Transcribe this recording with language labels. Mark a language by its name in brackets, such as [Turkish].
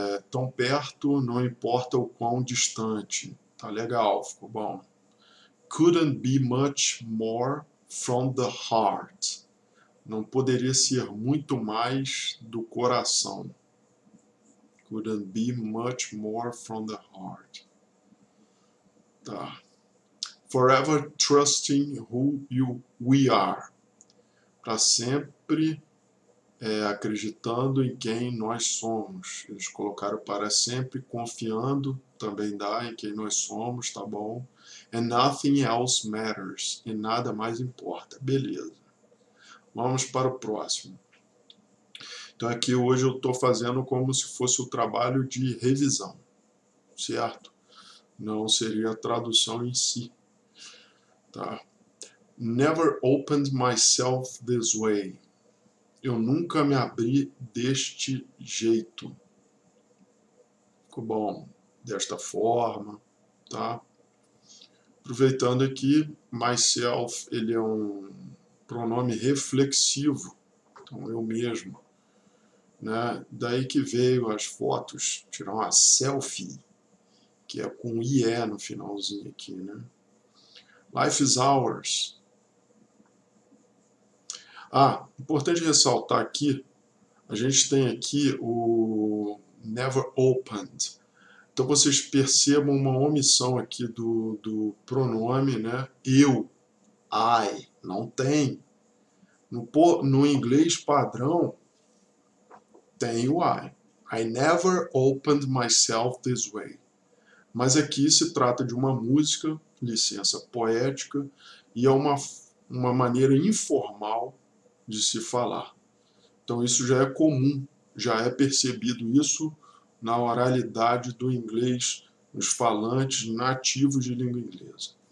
[Portuguese] Tão perto, não importa o quão distante. Tá legal, ficou bom. [English] Couldn't be much more from the heart. [Portuguese] Não poderia ser muito mais do coração. [English] Couldn't be much more from the heart. Tá. Forever trusting who you we are. [Portuguese] Para sempre acreditando em quem nós somos. Eles colocaram para sempre, confiando também dá em quem nós somos, tá bom? [English] And nothing else matters. [Portuguese] E nada mais importa. Beleza. Vamos para o próximo. Então aqui hoje eu estou fazendo como se fosse o trabalho de revisão, certo? Não seria a tradução em si. Tá? [English] Never opened myself this way. [Portuguese] Eu nunca me abri deste jeito. Ficou bom. Desta forma, tá? Aproveitando aqui, myself, ele é um pronome reflexivo, então eu mesmo, né? Daí que veio as fotos, tiraram a selfie, que é com IE no finalzinho aqui, né? [English] Life is ours. [Portuguese] Ah, importante ressaltar aqui, a gente tem aqui o never opened. Então vocês percebam uma omissão aqui do pronome, né? Eu, I, não tem. No inglês padrão, tem o I. [English] I never opened myself this way. [Portuguese] Mas aqui se trata de uma música, licença poética, e é uma maneira informal de se falar. Então isso já é comum, já é percebido isso na oralidade do inglês, nos falantes nativos de língua inglesa.